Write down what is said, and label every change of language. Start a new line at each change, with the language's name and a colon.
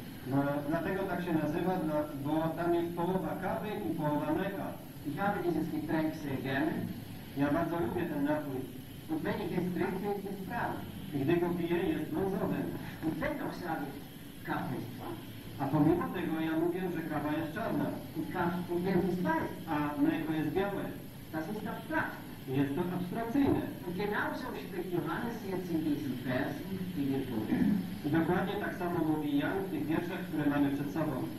Polish: No, dlatego tak się nazywa, bo tam jest połowa kawy i połowa mleka.
German: Ich habe dieses Getränk sehr gerne.
Polish: Ja bardzo lubię ten napój.
German: Und wenn ich es trinke, ist es braun.
Polish: Gdy go piję, jest brązowy.
German: Und dennoch sage ich, Kaffee ist braun.
Polish: A pomimo tego ja mówię, że kawa jest czarna.
German: Und Milch ist weiß.
Polish: A mleko jest białe.
German: Das ist abstrakt.
Polish: Jest to abstrakcyjne.
German: Und genauso spricht Johannes jetzt in diesem Vers, die wir tun.
Polish: I dokładnie tak samo mówi Jan w tych wierszach, które mamy przed sobą.